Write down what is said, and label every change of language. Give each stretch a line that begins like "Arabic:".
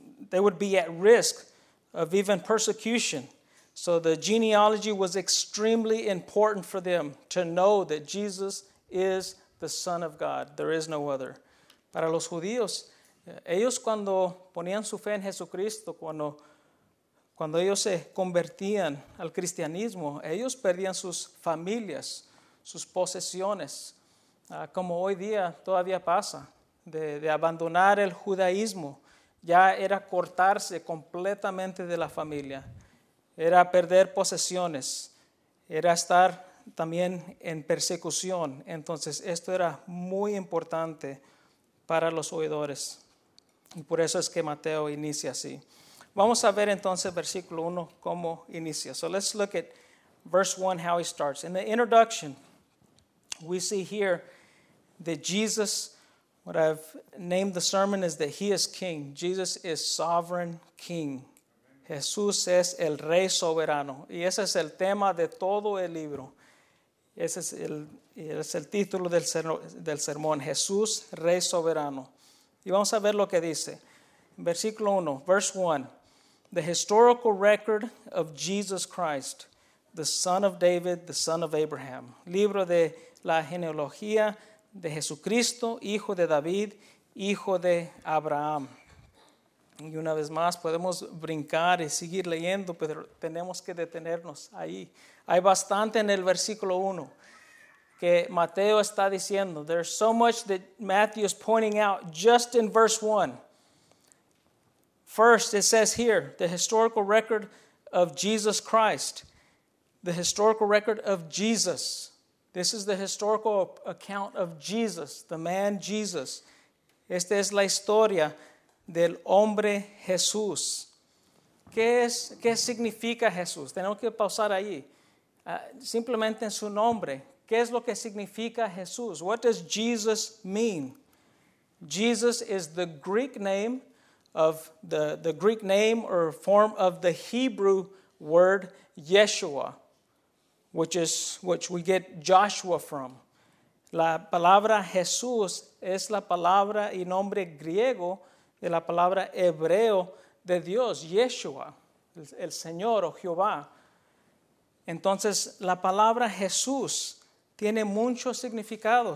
English: They would be at risk of even persecution. So the genealogy was extremely important for them to know that Jesus is the Son of God. There is no other.
Spanish: Para los judíos, ellos cuando ponían su fe en Jesucristo, cuando ellos se convertían al cristianismo, ellos perdían sus familias, sus posesiones, como hoy día todavía pasa, de abandonar el judaísmo. Ya era cortarse completamente de la familia. Era perder posesiones, era estar también en persecución. Entonces, esto era muy importante para los oidores. Y por eso es que Mateo inicia así. Vamos a ver entonces versículo 1 cómo inicia.
English: So let's look at verse 1, how he starts. In the introduction, we see here that Jesus, what I've named the sermon is that he is king. Jesus is sovereign king.
Spanish: Jesús es el Rey Soberano. Y ese es el tema de todo el libro. Ese es el título del sermón. Jesús, Rey Soberano. Y vamos a ver lo que dice. Versículo 1,
English: verse 1. The historical record of Jesus Christ, the son of David, the son of Abraham.
Spanish: Libro de la genealogía de Jesucristo, hijo de David, hijo de Abraham. Y una vez más, podemos brincar y seguir leyendo, pero tenemos que detenernos ahí. Hay bastante en el versículo 1 que Mateo está diciendo.
English: There's so much that Matthew is pointing out just in verse 1. First, it says here, the historical record of Jesus Christ. The historical record of Jesus. This is the historical account of Jesus, the man Jesus.
Spanish: Esta es la historia del hombre Jesús. ¿Qué significa Jesús? Tenemos que pausar ahí. Simplemente en su nombre. ¿Qué es lo que significa Jesús?
English: What does Jesus mean? Jesus is the Greek name of the Greek name or form of the Hebrew word Yeshua, which we get Joshua from.
Spanish: La palabra Jesús es la palabra y nombre griego de la palabra hebreo de Dios, Yeshua, el Señor o Jehová. Entonces, la palabra Jesús tiene mucho significado.